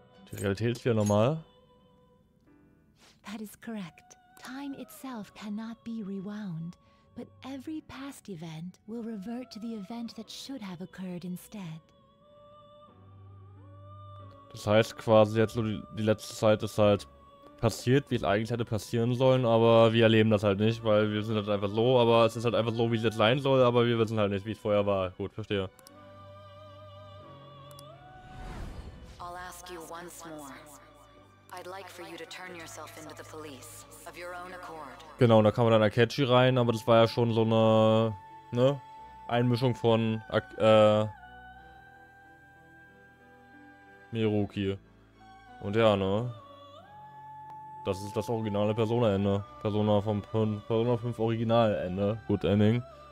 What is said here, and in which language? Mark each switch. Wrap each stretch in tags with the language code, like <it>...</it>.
<de>Die Realität ist wieder normal.</de> <en>That is correct. Time itself cannot be rewound, but every past event will revert to the event that should have occurred instead.</en> <de>Das heißt quasi jetzt nur die letzte Zeit ist halt passiert, wie es eigentlich hätte passieren sollen, aber wir erleben das halt nicht, weil wir sind halt einfach so, aber es ist halt einfach so, wie es jetzt sein soll, aber wir wissen halt nicht, wie es vorher war. Gut, verstehe.</de> <en>Once more, I'd like for you to turn yourself into the police, of your own accord.</en> <de>Genau, und da kam dann Akechi rein, aber das war ja schon so eine, ne, Einmischung von, Maruki. Und ja, ne. Das ist das originale Persona-Ende. Persona 5 Original-Ende.</de> <en>Good Ending.</en>